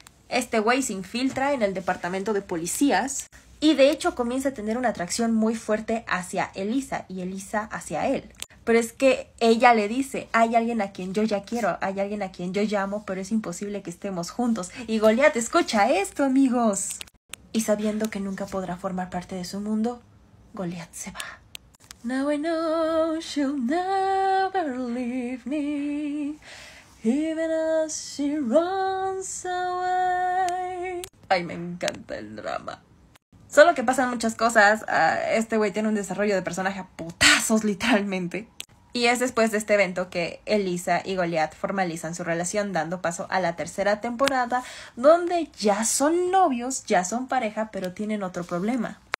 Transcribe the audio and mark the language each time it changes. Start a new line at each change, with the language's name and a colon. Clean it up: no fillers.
Spanish: Este güey se infiltra en el departamento de policías y de hecho comienza a tener una atracción muy fuerte hacia Elisa y Elisa hacia él. Pero es que ella le dice, hay alguien a quien yo ya quiero, hay alguien a quien yo ya amo, pero es imposible que estemos juntos. Y Goliat escucha esto, amigos. Y sabiendo que nunca podrá formar parte de su mundo, Goliat se va.
English: Now I know she'll never leave me, even as she runs away.
Spanish: Ay, me encanta el drama. Solo que pasan muchas cosas. Este güey tiene un desarrollo de personaje a putazos, literalmente. Y es después de este evento que Elisa y Goliat formalizan su relación, dando paso a la tercera temporada, donde ya son novios, ya son pareja, pero tienen otro problema.